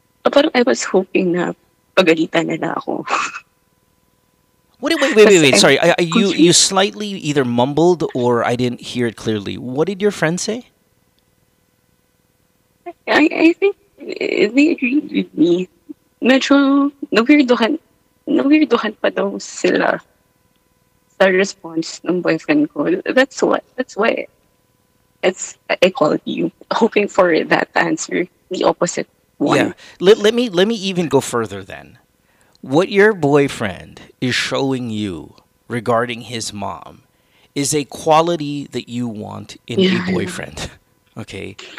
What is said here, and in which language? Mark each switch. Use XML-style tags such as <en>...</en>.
<tl>Parang</tl> <en>I was hoping</en> <tl>na pagalitan nila ako.</tl> <en>Wait. Sorry, you slightly either mumbled or I didn't hear it clearly. What did your friend say? I think they agreed with me.</en> <tl>Medyo nawirduhan pa daw sila sa response ng boyfriend ko.</tl> <en>That's why I called you, hoping for that answer, the opposite one. Yeah. Let me even go further then. What your boyfriend is showing you regarding his mom is a quality that you want in a boyfriend. Okay.</en>